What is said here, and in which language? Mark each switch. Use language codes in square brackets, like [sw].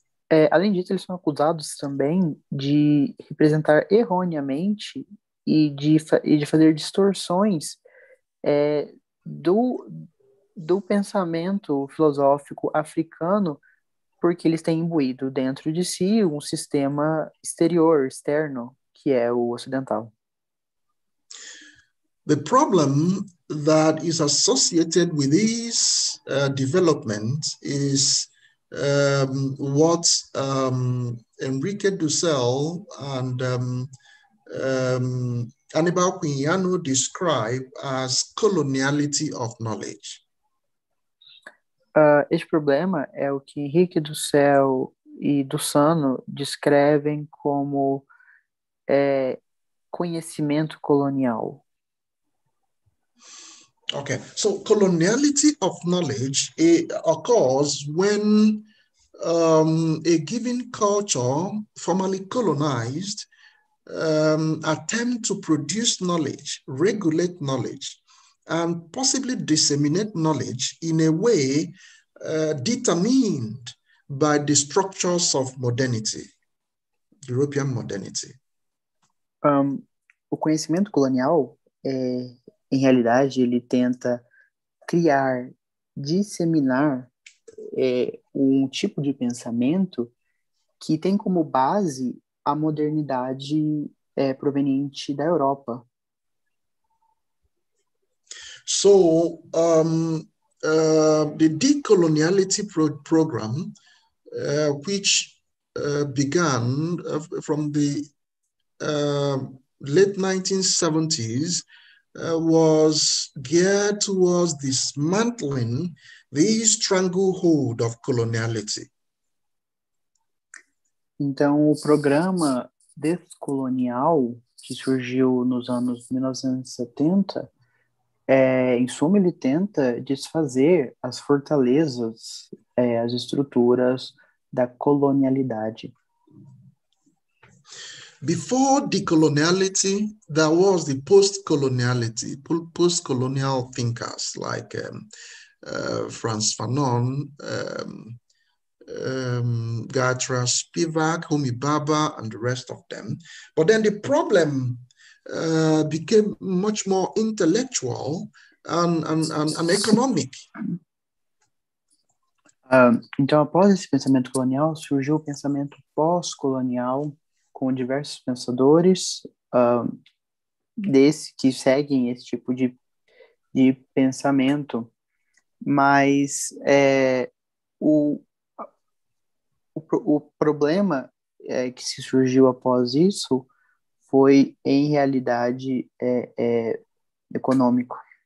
[pt] É, além disso, eles são acusados também de representar erroneamente e de fazer distorções do pensamento filosófico africano, porque eles têm imbuído dentro de si um sistema exterior, externo, que é o ocidental. [en] The problem that is associated with this development is what Enrique Dussel and Anibal Quignano describe as coloniality of knowledge. [pt] Este problema é o que Henrique Dussel e Dussano descrevem como conhecimento colonial. [en] Okay, so coloniality of knowledge occurs when a given culture, formerly colonized, attempt to produce knowledge, regulate knowledge, and possibly disseminate knowledge in a way determined by the structures of modernity, European modernity. [pt] O conhecimento colonial, em realidade, ele tenta criar, disseminar um tipo de pensamento que tem como base a modernidade proveniente da Europa. [en] So, the decoloniality program, which began from the late 1970s, was geared towards dismantling the stranglehold of coloniality. [pt] Então, o programa descolonial, que surgiu nos anos 1970, em suma, ele tenta desfazer as fortalezas, as estruturas da colonialidade. [en] Before decoloniality, there was the post-coloniality, post-colonial thinkers like Frantz Fanon, Gayatri Spivak, Homi Bhabha, and the rest of them. But then the problem became much more intellectual and economic. [pt] Então, após esse pensamento colonial, surgiu o pensamento pós-colonial com diversos pensadores que seguem esse tipo de pensamento. Mas o problema que se surgiu após isso foi, em realidade, econômico.